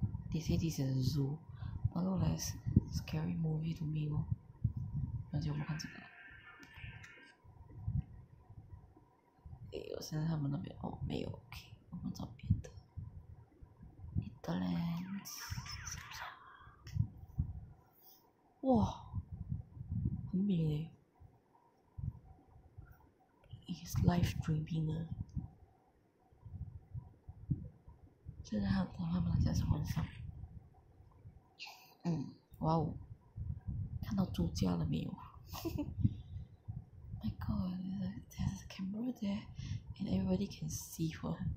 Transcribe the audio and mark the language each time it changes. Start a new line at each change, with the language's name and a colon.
English: They say this is a zoo， but look like it's scary movie to me 哦。
Chinese: 那就我们看这个了。哎，我现在他们那边哦没有 ，OK， 我们找别的。 Netherlands， 是不是？哇，很美嘞 ！
English: It's live streaming
Chinese: 呢。现在他们那家是晚上。嗯，哇哦，看到住家了没有？
English: My God, there's a camera there, and everybody can see her.